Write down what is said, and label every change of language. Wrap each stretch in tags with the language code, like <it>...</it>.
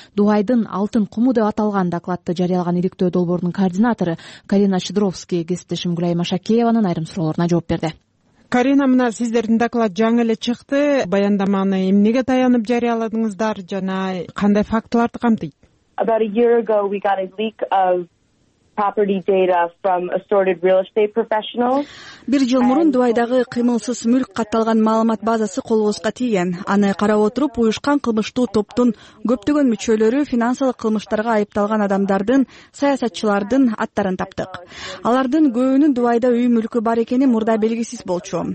<ky>Дубайдын алтын куму деп аталган докладты жарыялаган иликтөө долбоорунун координатору Карина Шидровский кесиптешим Гүлайым Ашакеевнин айрым суроолоруна жооп берди. Карина, мына сиздердин доклад жаңы эле чыкты. Баяндаманы эмнеге таянып жарыяладыңыздар жана кандай фактыларды камтыйт?</ky> <en>About a year ago we got a leak of property data from assorted real estate professionals.</en> <ky>Бир жыл мурун Дубайдагы кыймылсыз мүлк катталган маалымат базасы колубузга тийген. Аны карап отуруп, уюшкан кылмыштуу топтун көптөгөн мүчөлөрү финансылык кылмыштарга айыпталган адамдардын, саясатчылардын аттарын таптык. Алардын көбүнүн Дубайда үй мүлкү бар экени мурда белгисиз болчу.</ky>